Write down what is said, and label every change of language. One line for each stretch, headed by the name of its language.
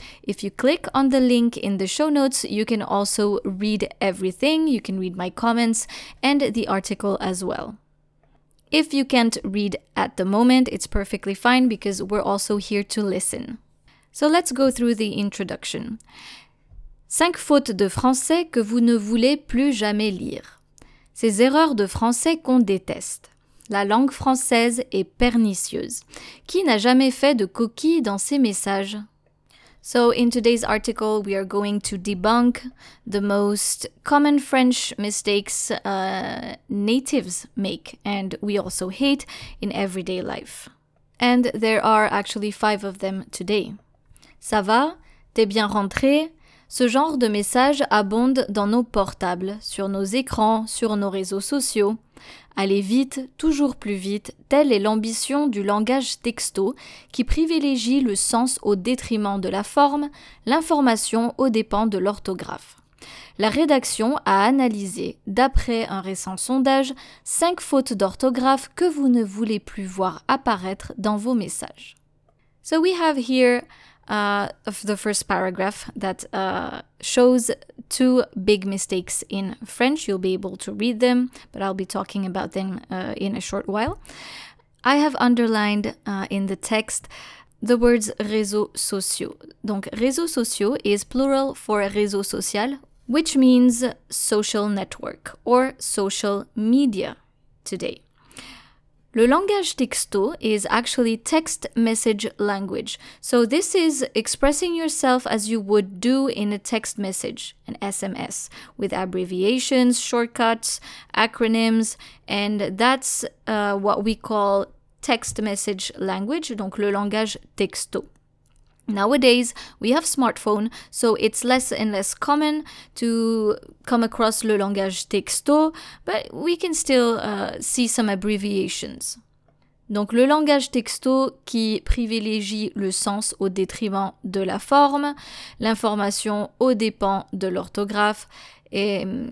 English: If you click on the link in the show notes, you can also read everything. You can read my comments and the article as well. If you can't read at the moment, it's perfectly fine because we're also here to listen. So let's go through the introduction.
French: 5 fautes de français que vous ne voulez plus jamais lire. Ces erreurs de français qu'on déteste. La langue française est pernicieuse. Qui n'a jamais fait de coquille dans ses messages?
English: So in today's article, we are going to debunk the most common French mistakes natives make and we also hate in everyday life. And there are actually 5 of them today.
French: Ça va? T'es bien rentré? Ce genre de messages abondent dans nos portables, sur nos écrans, sur nos réseaux sociaux. Allez vite, toujours plus vite, telle est l'ambition du langage texto qui privilégie le sens au détriment de la forme, l'information aux dépens de l'orthographe. La rédaction a analysé, d'après un récent sondage, 5 fautes d'orthographe que vous ne voulez plus voir apparaître dans vos messages.
English: So we have here of the first paragraph that shows 2 big mistakes in French. You'll be able to read them, but I'll be talking about them in a short while. I have underlined in the text the words
French: réseaux sociaux. Donc réseaux sociaux
English: is plural for réseau social, which means social network or social media today.
French: Le langage texto
English: is actually text message language. So this is expressing yourself as you would do in a text message, an SMS, with abbreviations, shortcuts, acronyms, and that's what we call text message language,
French: donc le langage texto.
English: Nowadays, we have smartphone, so it's less and less common to come across
French: le langage texto,
English: but we can still see some abbreviations.
French: Donc le langage texto qui privilégie le sens au détriment de la forme, l'information au dépens de l'orthographe, et